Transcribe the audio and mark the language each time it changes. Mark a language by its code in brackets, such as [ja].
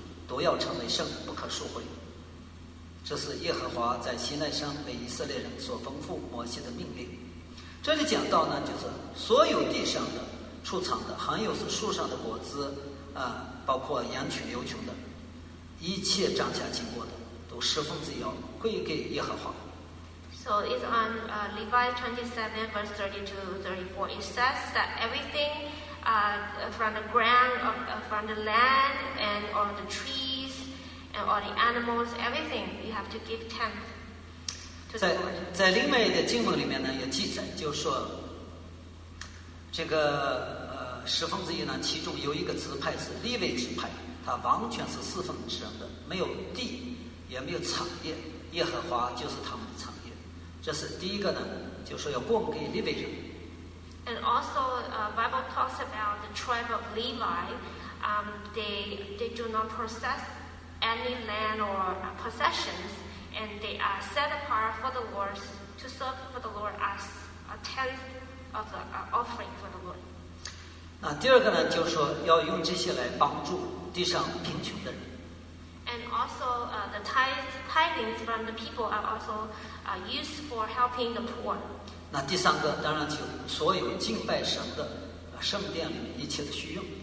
[zh] 都要成为圣，不可赎回。这是耶和华在西奈山为以色列人所吩咐摩西的命令。这里讲到呢，就是所有地上的出产的，还有是树上的果子啊，包括羊群、牛群的，一切长下经过的，都十分之要归给耶和华。 [en] So it's on Levit 27 verse 32 34. It says that everything from the ground, from the land, and all the trees, and all the animals, everything, you have to give tenth. [zh] 在另外的经文里面呢，有记载，就是说这个十分之一呢，其中有一个支派是利未支派，它完全是四分之一的，没有地，也没有产业，耶和华就是他们的产业。这是第一个呢，就是要供给利未人。 [en] And also, Bible talks about the tribe of Levi. They do not possess any land or possessions, and they are set apart for the Lord to serve for the Lord as a tenth of the offering for the Lord. [zh] 那第二个呢，就是说要用这些来帮助地上贫穷的人。 [en] And also, the tithings from the people are also used for helping the poor. [zh] 那第三个当然就所有敬拜神的圣殿里面一切的需用。